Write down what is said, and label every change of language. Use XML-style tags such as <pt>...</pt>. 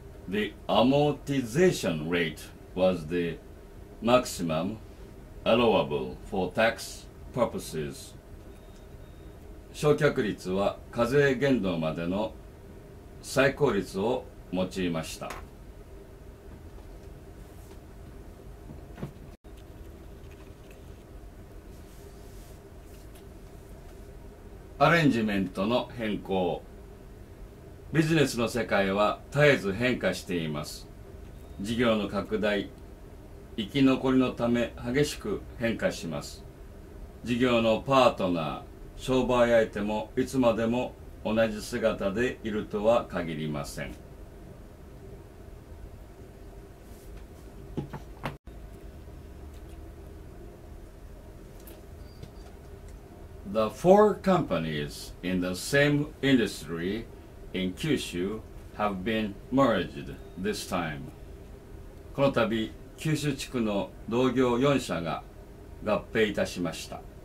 <en>The amortization rate was the maximum allowable for tax purposes.</en> <ja>償却率は課税限度までの最高率を用いました。アレンジメントの変更。ビジネスの世界は絶えず変化しています。事業の拡大、生き残りのため激しく変化します。事業のパートナー、商売相手もいつまでも同じ姿でいるとは限りません。</ja> <en>The four companies in the same industryIn Kyushu have been merged this time.</en> <ja>この度、九州地区の同業4社が合併いたしました。</ja>